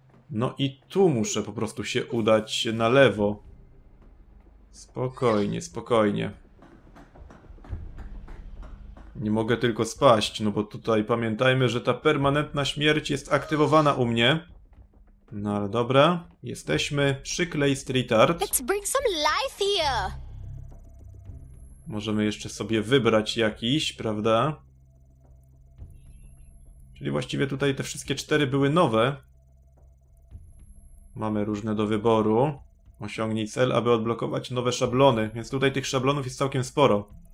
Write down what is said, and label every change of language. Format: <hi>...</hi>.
<pl>No i tu muszę po prostu się udać na lewo. Spokojnie, spokojnie. Nie mogę tylko spaść, no bo tutaj pamiętajmy, że ta permanentna śmierć jest aktywowana u mnie. No ale dobra, jesteśmy przy Clay Street Art.</pl> <en>Let's bring some life here.</en> <pl>Możemy jeszcze sobie wybrać jakiś, prawda? Czyli właściwie tutaj te wszystkie cztery były nowe. Mamy różne do wyboru. Osiągnij cel, aby odblokować nowe szablony, więc tutaj tych szablonów jest całkiem sporo.</pl>